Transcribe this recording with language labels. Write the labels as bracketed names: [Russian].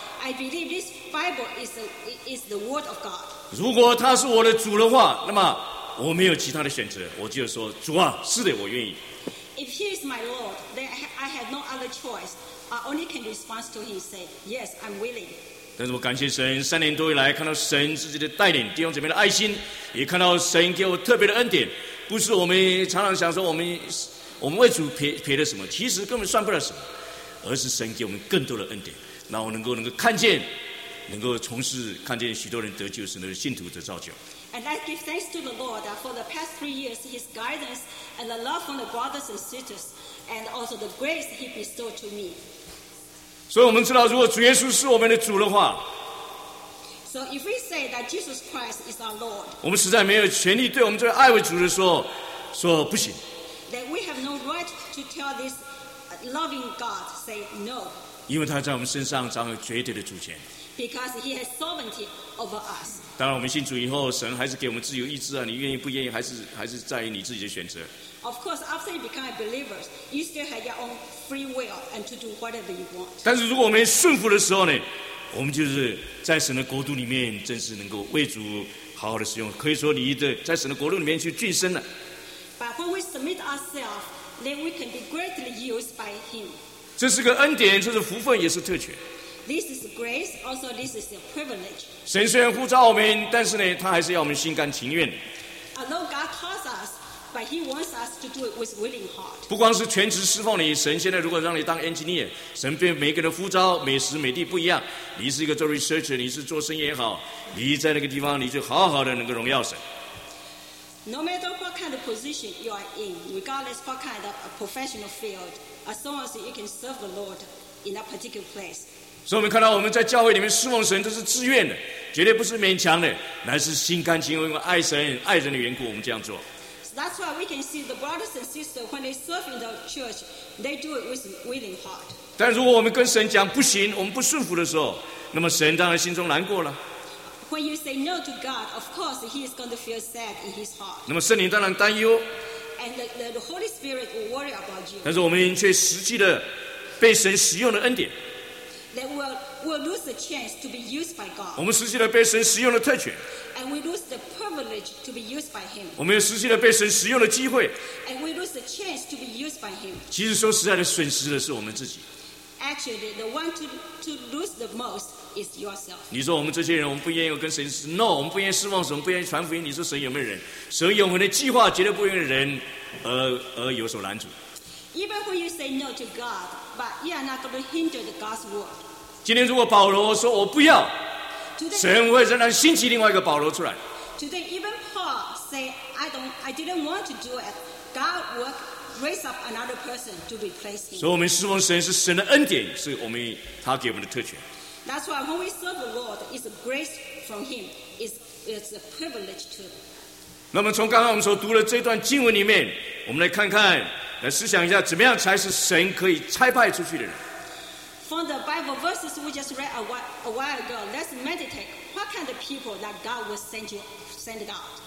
[English] I believe this Bible is the word of God. [Chinese] 如果他是我的主的话，那么我没有其他的选择，我就说主啊，是的，我愿意。 [English] If He is my Lord, then I have no other choice. I only can respond to Him, say, Yes, I'm willing. [Chinese] 但是我感谢神，三年多以来看到神自己的带领，弟兄姊妹的爱心，也看到神给我特别的恩典。不是我们常常想说我们为主赔了什么，其实根本算不了什么，而是神给我们更多的恩典，让我能够看见，能够从事看见许多人得救，神的信徒得造就。 [English] And I give thanks to the Lord for the past 3 years, His guidance and the love from the brothers and sisters, and also the grace He bestowed to me. [Chinese] 所以我们知道，如果主耶稣是我们的主的话。 [English] So if we say that Jesus Christ is our Lord, [Chinese] 我们实在没有权利对我们这位爱为主的说不行。 [English] That we have no right to tell this loving God say no. [Chinese] 因为他在我们身上掌握绝对的主权。 [English] Because He has sovereignty over us. [Chinese] 当然，我们信主以后，神还是给我们自由意志啊！你愿意不愿意，还是在于你自己的选择。 [English] Of course, after you become a believer, you still have your own free will and to do whatever you want. [Chinese] 但是如果我们顺服的时候呢？我们就是在神的国度里面，真是能够为主好好的使用。可以说，你的在神的国度里面去晋升了。 [English] But when we submit ourselves, then we can be greatly used by Him. [Chinese] 这是个恩典，这是福分，也是特权。 [English] This is grace, also this is a privilege. [Chinese] 神虽然呼召我们，但是呢，他还是要我们心甘情愿。 [English] Although God calls us, but He wants us to do it with willing heart. [Chinese] 不光是全职侍奉你，神现在如果让你当 engineer， 神对每个人的呼召，每时每地不一样。你是一个做 researcher， 你是做生意也好，你在那个地方，你就好好的能够荣耀神。 [English] No matter what kind of position you are in, regardless what kind of professional field, as long as you can serve the Lord in a particular place. [Chinese] 所以我们看到我们在教会里面侍奉神都是自愿的，绝对不是勉强的，乃是心甘情愿，因为爱神爱人的缘故，我们这样做。 [English] So that's why we can see the brothers and sisters when they serve in the church, they do it with willing heart. [Chinese] 但如果我们跟神讲不行，我们不顺服的时候，那么神当然心中难过了。 [English] When you say no to God, of course He is going to feel sad in His heart. [Chinese] 那么圣灵当然担忧。 [English] And the Holy Spirit will worry about you. [Chinese] 但是我们却实际的被神使用的恩典。 [English] That we'll lose the chance to be used by God. [Chinese] 我们失去了被神使用的特权。 [English] And we lose the privilege to be used by Him. [Chinese] 我们又失去了被神使用的机会。 [English] And we lose the chance to be used by Him. [Chinese] 其实说实在的，损失的是我们自己。 [English] Actually, the one to lose the most is yourself. [Chinese] 你说我们这些人，我们不愿意跟神 no， 我们不愿意侍奉神，我们不愿意传福音。你说神有没有人？神有我们的计划，绝对不会为人而有所拦阻。 [English] Even when you say no to God, but you are not going to hinder the God's word. [Chinese] 今天如果保罗说我不要，神会仍然兴起另外一个保罗出来。 [English] Today, even Paul say I didn't want to do it. God will raise up another person to replace him. [Chinese] 所以我们侍奉神是神的恩典，是我们他给我们的特权。 [English] That's why when we serve the Lord, it's a grace from Him. It's a privilege too. [Chinese] 那么从刚刚我们所读的这段经文里面，我们来看看。来思想一下，怎么样才是神可以差派出去的人 [English] ？From the Bible verses we just read a while ago, let's meditate. What kind of people that God will send out?